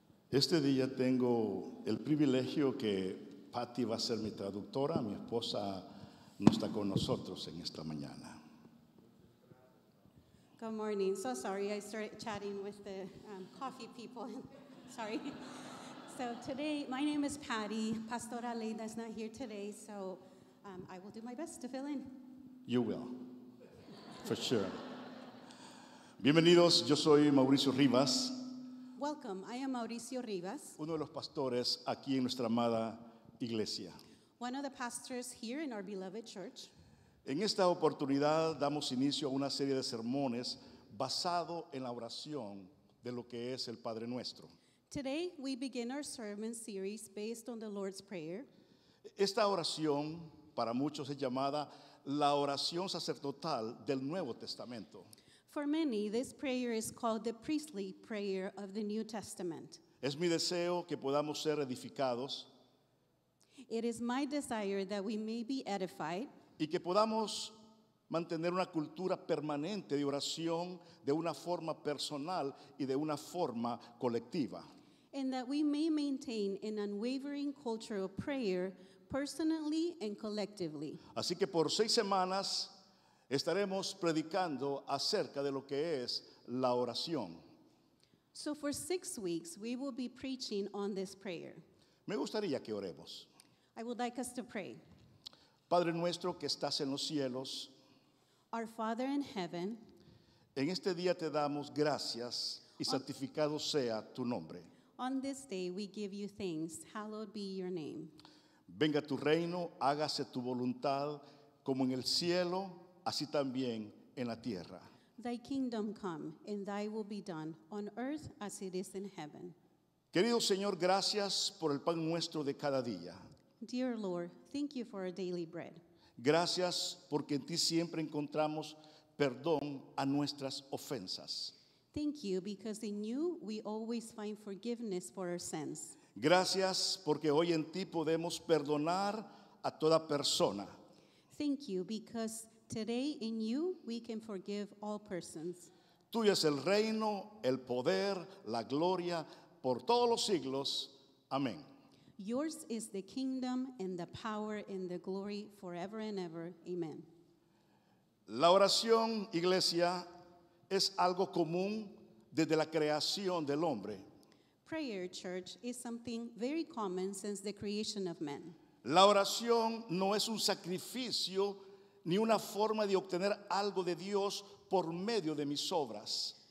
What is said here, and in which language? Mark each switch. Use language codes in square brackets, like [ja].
[es] Este día tengo el privilegio que Patty va a ser mi traductora. Mi esposa no está con nosotros en esta mañana. [en] Good morning. So sorry, I started chatting with the coffee people. Sorry. So today, my name is Patty. Pastora Leida is not here today, so I will do my best to fill in. You will, for sure. [es] Bienvenidos. Yo soy Mauricio Rivas. [en] Welcome. I am Mauricio Rivas. [es] Uno de los pastores aquí en nuestra amada iglesia. [en] One of the pastors here in our beloved church. [es] En esta oportunidad damos inicio a una serie de sermones basado en la oración de lo que es el Padre Nuestro. [en] Today we begin our sermon series based on the Lord's Prayer. [es] Esta oración para muchos es llamada la oración sacerdotal del Nuevo Testamento. [en] For many, this prayer is called the priestly prayer of the New Testament. [es] Es mi deseo que podamos ser edificados. [en] It is my desire that we may be edified. [es] Y que podamos mantener una cultura permanente de oración de una forma personal y de una forma colectiva. [en] And that we may maintain an unwavering culture of prayer personally and collectively. [es] Así que por 6 semanas... Estaremos predicando acerca de lo que es la oración. [en] So for 6 weeks, we will be preaching on this prayer. [es] Me gustaría que oremos. [en] I would like us to pray. [es] Padre nuestro que estás en los cielos. [en] Our Father in heaven. [es] En este día te damos gracias y santificado sea tu nombre. [en] On this day we give you thanks. Hallowed be your name. [es] Venga tu reino, hágase tu voluntad como en el cielo. Así también en la tierra. [en] Thy kingdom come, and thy will be done on earth as it is in heaven. [es] Querido Señor, gracias por el pan nuestro de cada día. [en] Dear Lord, thank you for our daily bread. [es] Gracias porque en ti siempre encontramos perdón a nuestras ofensas. [en] Thank you because in you we always find forgiveness for our sins. [es] Gracias porque hoy en ti podemos perdonar a toda persona. [en] Thank you because today in you we can forgive all persons. [es] Tuyo es el reino, el poder, la gloria por todos los siglos. Amén. [en] Yours is the kingdom and the power and the glory forever and ever. Amen. [es] La oración, iglesia, es algo común desde la creación del hombre. [en] Prayer, church, is something very common since the creation of men. [es] La oración no es un sacrificio ni una forma de obtener algo de Dios por medio de mis obras.